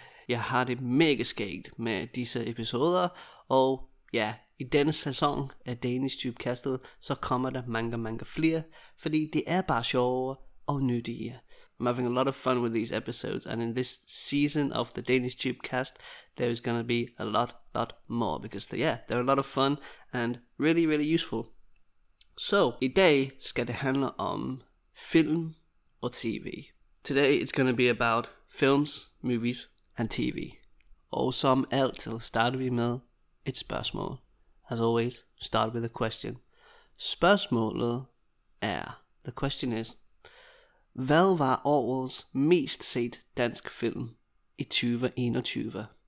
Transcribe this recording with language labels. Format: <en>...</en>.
<da>Jeg har det mega skægt med disse episoder, og ja, i denne sæson af Danish Tube Castet, så kommer der mange, mange flere, fordi det er bare sjovere og nyttige.</da> <en>I'm having a lot of fun with these episodes, and in this season of the Danish Tube Cast, there is gonna be a lot more, because they're a lot of fun and really useful.</en> <da>So, i dag skal det handle om film og TV.</da> <en>Today it's gonna be about films, movies and TV.</en> <da>Og som alt, så starter vi med et spørgsmål.</da> <en>As always, start with a question.</en> <da>Spørgsmålet er,</da> <en>the question is,</en> <da>hvad var årets mest set dansk film i 2021?</da>